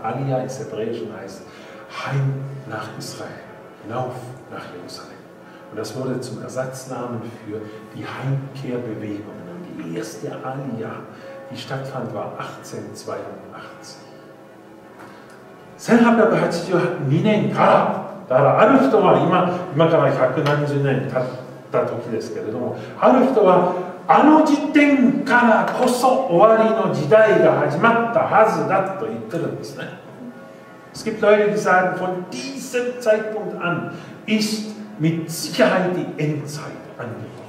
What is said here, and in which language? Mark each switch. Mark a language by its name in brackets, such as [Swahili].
[German] Aliyah ist Hebräisch und heißt Heim nach Israel, hinauf nach Jerusalem. Und das wurde zum Ersatznamen für die Heimkehrbewegungen. Und die erste Aliyah, die stattfand, war 1882. [Japanese] 1882年から、だからある人は今から百何十年経って時ですけれども、ある人はあの時点からこそ終わりの時代が始まったはずだと言ってるんですね。 [German] Es gibt Leute, die sagen, von diesem Zeitpunkt an ist mit Sicherheit die Endzeit angebrochen.